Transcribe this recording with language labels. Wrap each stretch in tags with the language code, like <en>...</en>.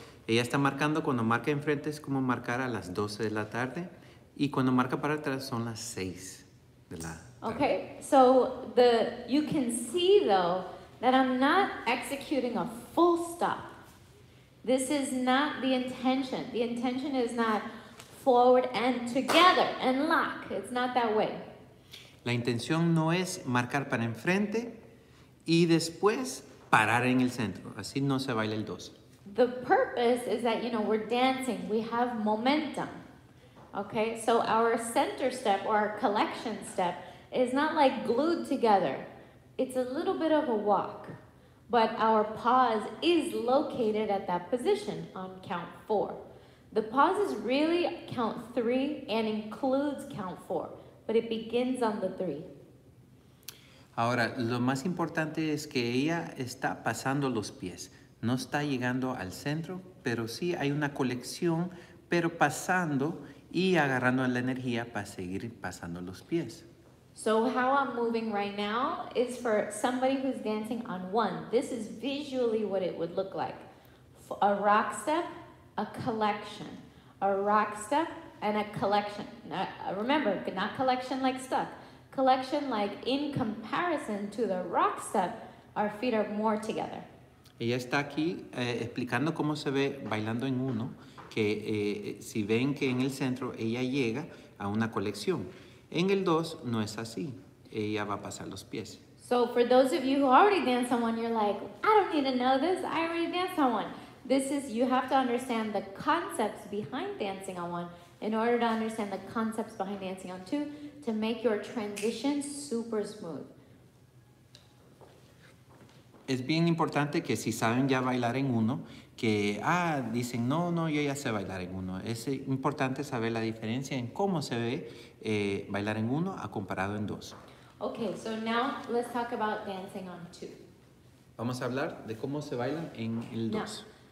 <es>Ella está marcando, cuando marca enfrente es como marcar a las 12 de la tarde. Y cuando marca para atrás son las 6 de la tarde.</es> <en>Okay, so you can see though that I'm not executing a full stop. This is not the intention. The intention is not forward and together and lock. It's not that way.</en> <es>La intención no es marcar para enfrente y después parar en el centro. Así no se baila el 12.</es> <en>The purpose is that, you know, we're dancing. We have momentum. Okay, so our center step or our collection step is not like glued together. It's a little bit of a walk, but our pause is located at that position on count four. The pause is really count three and includes count four, but it begins on the three.</en> <es>Ahora, lo más importante es que ella está pasando los pies. No está llegando al centro, pero sí hay una colección, pero pasando y agarrando la energía para seguir pasando los pies.</es> <en>So how I'm moving right now is for somebody who's dancing on one. This is visually what it would look like. A rock step, a collection. A rock step and a collection. Now, remember, not collection like stuck. Collection like in comparison to the rock step, our feet are more together.</en> <es>Ella está aquí explicando cómo se ve bailando en uno, que si ven que en el centro ella llega a una colección. En el 2 no es así. Ella va a pasar los pies.</es> <en>So for those of you who already dance on one, you're like, I don't need to know this. I already dance on one. This is, you have to understand the concepts behind dancing on one in order to understand the concepts behind dancing on two to make your transition super smooth.</en> <es>Es bien importante que si saben ya bailar en uno, que dicen, no, yo ya sé bailar en uno. Es importante saber la diferencia en cómo se ve bailar en uno a comparado en dos.</es> <en>Okay, so now let's talk about dancing on two.</en> <es>Vamos a hablar de cómo se bailan en el dos.</es>